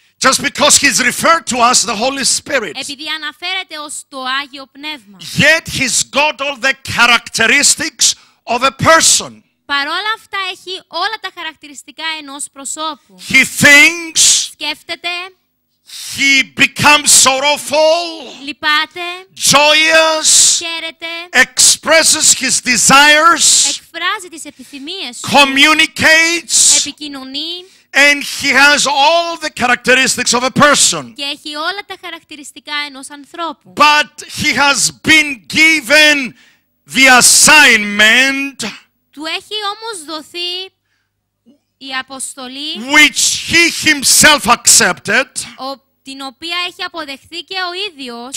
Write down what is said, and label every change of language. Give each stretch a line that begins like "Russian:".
English: Just because he's referred to as the Holy Spirit.
Greek: Επειδή αναφέρεται ως το Άγιο Πνεύμα.
English: Yet he's got all the characteristics of a person.
Greek: Παρόλα αυτά έχει όλα τα χαρακτηριστικά ενός προσώπου.
English: He thinks.
Greek: Σκέφτεται.
English: He becomes sorrowful.
Greek: Λυπάται.
English: Joyous.
Greek: Χαίρεται.
English: Expresses his desires.
Greek: Εκφράζει τις επιθυμίες.
English: Communicates.
Greek: Επικοινωνεί.
English: And he has all the characteristics of a person.
Greek: Και έχει όλα τα χαρακτηριστικά ενός ανθρώπου.
English: But he has been given the assignment.
Greek: Του έχει όμως δοθεί η αποστολή.
English: Which he himself accepted.
Greek: Την οποία έχει αποδεχθεί και ο ίδιος.